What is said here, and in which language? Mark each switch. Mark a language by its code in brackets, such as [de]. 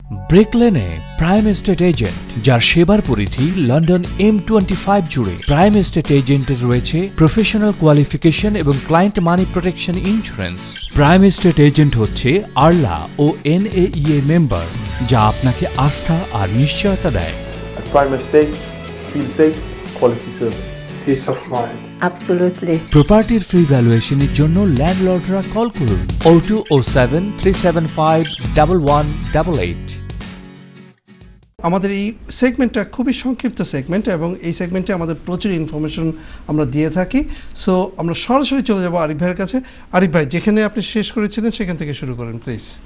[bn] ব্রিকলেনে prime estate agent যার সেবার পরিধি লন্ডন M25 জুড়ে প্রাইম এস্টেট এজেন্টের রয়েছে প্রফেশনাল কোয়ালিফিকেশন এবং ক্লায়েন্ট মানি protection insurance prime estate agent হচ্ছে আরলা ও NAEA মেম্বার যা আপনাকে আস্থা আর নিশ্চয়তা দেয় [en] Prime Estate, feel safe, quality service, peace of mind. Absolutely. Property free valuation [bn] এর জন্য ল্যান্ডলর্ড রা কল করুন 0207-375-1188 আমাদের এই সেগমেন্টটা খুবই সংক্ষিপ্ত সেগমেন্ট এবং এই সেগমেন্টে আমাদের প্রচুর ইনফরমেশন আমরা দিয়ে থাকি সো আমরা সরাসরি চলে যাব আরিফ ভাইয়ের কাছে আরিফ ভাই যেখানে আপনি শেষ করেছিলেন সেখান থেকে শুরু করেন প্লিজ